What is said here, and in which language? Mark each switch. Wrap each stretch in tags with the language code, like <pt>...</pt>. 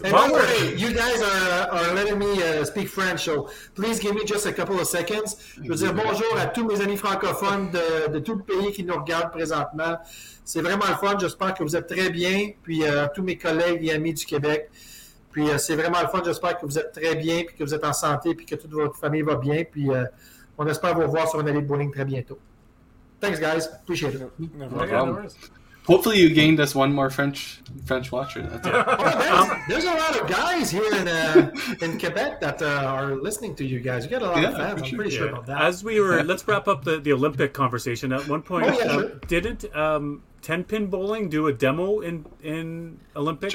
<en>and worry, you guys are letting me speak French, so please give me just a couple of seconds.</en> <fr>Je veux dire bonjour à tous mes amis francophones de tout le pays qui nous regardent présentement. C'est vraiment le fun. J'espère que vous êtes très bien. Puis tous mes collègues et amis du Québec. Puis c'est vraiment le fun. J'espère que vous êtes très bien, puis que vous êtes en santé, puis que toute votre famille va bien. Puis on espère vous revoir sur une allée de bowling très bientôt.</fr> <en>Thanks, guys. Appreciate it. No problem. Hopefully you gained us one more French watcher. That's it. There's a lot of guys here in Quebec that are listening to you guys. You got a lot of fans. I'm pretty sure about that. As we were, let's wrap up the Olympic conversation. At one point, didn't 10 pin bowling do a demo in Olympics?</en>